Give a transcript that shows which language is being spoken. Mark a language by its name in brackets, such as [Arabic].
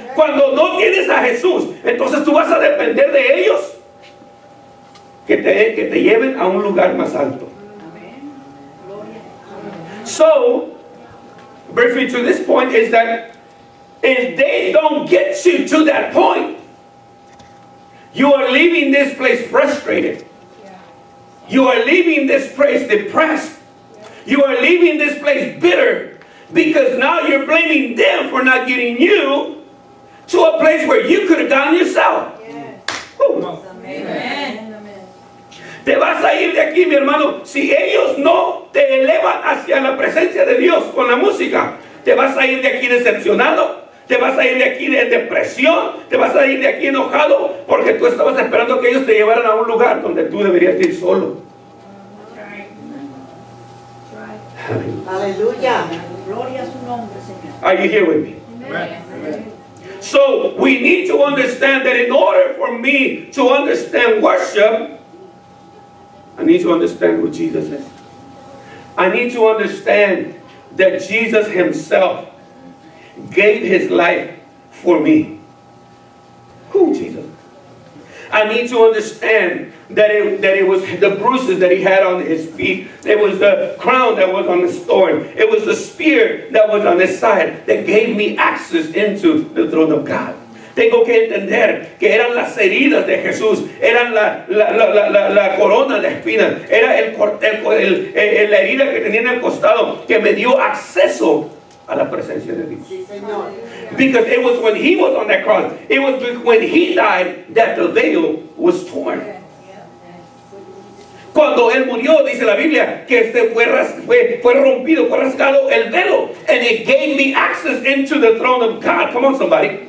[Spanish] Cuando no tienes a Jesús, entonces tú vas a depender de ellos que te lleven a un lugar más alto. [English] So, brings me to this point is that if they don't get you to that point, you are leaving this place frustrated. You are leaving this place depressed. You are leaving this place bitter. Because now you're blaming them for not getting you to a place where you could have gone yourself. Yes. [Spanish] Amen. Te vas a ir de aquí, mi hermano. Si ellos no te elevan hacia la presencia de Dios con la música, te vas a ir de aquí decepcionado. Te vas a ir de aquí de depresión. Te vas a ir de aquí enojado porque tú estabas esperando que ellos te llevaran a un lugar donde tú deberías ir solo. Aleluya. [English] Are you here with me? So we need to understand that in order for me to understand worship, I need to understand who Jesus is. I need to understand that Jesus Himself gave His life for me. Who Jesus? I need to understand that it was the bruises that He had on His feet. It was the crown that was on His thorn. It was the spear that was on His side that gave me access into the throne of God. [Spanish] Tengo que entender que eran las heridas de Jesús. Eran la corona de espinas. Era la herida que tenía en el costado que me dio acceso a la presencia de Dios. Sí, Señor. [English] Because it was when He was on that cross. It was when He died that the veil was torn. [Spanish] Cuando Él murió, dice la Biblia, que este fue rompido, fue rasgado el velo. [English] And it gave me access into the throne of God. Come on, somebody.